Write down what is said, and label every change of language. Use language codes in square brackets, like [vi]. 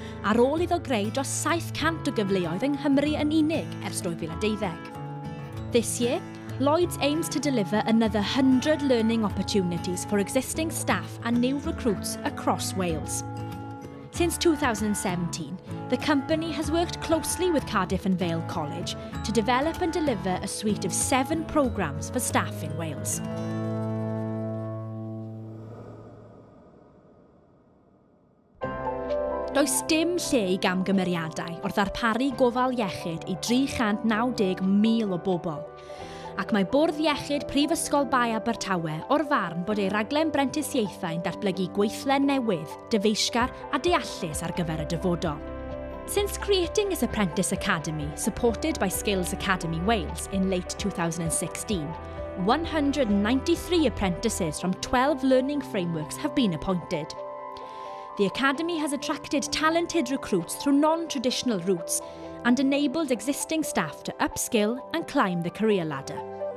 [cy] Ar ôl iddo greu dros 700 o gyfleoedd yng Nghymru yn unig ers 2012. [en] This year, Lloyds aims to deliver another 100 learning opportunities for existing staff and new recruits across Wales. Since 2017, the company has worked closely with Cardiff and Vale College to develop and deliver a suite of 7 programmes for staff in Wales. [cy] Does dim lle i gamgymeriadau o'r ddarparu gofal iechyd i 390,000 o bobl, ac mae Bwrdd Iechyd Prifysgol Bae Abertawe o'r farn bod ei raglen brentisiaethau'n datblygu gweithle newydd, dyfeisgar a deallus ar gyfer y dyfodol. [en] Since creating his Apprentice Academy, supported by Skills Academy Wales in late 2016, 193 apprentices from 12 learning frameworks have been appointed. The Academy has attracted talented recruits through non-traditional routes and enabled existing staff to upskill and climb the career ladder.